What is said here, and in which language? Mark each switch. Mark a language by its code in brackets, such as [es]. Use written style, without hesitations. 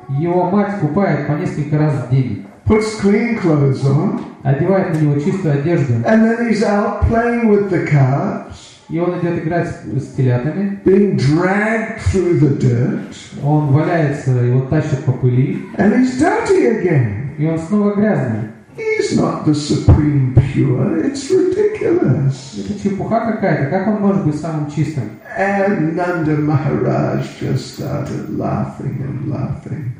[ru] Его мать купает по несколько раз в день. [en] Puts clean clothes on. [ru] Одевает на него чистую одежду. [en] And then he's out playing with the calves. [ru] И он идет играть с телятами. [en] Being dragged through the dirt. [ru] Он валяется, его тащат по пыли. [en] And he's dirty again. [ru] И он снова грязный. [en] He's not the supreme pure. It's ridiculous. [ru] Это чепуха какая-то. Как он может быть самым чистым? [en] And Nanda Maharaj just started laughing and laughing.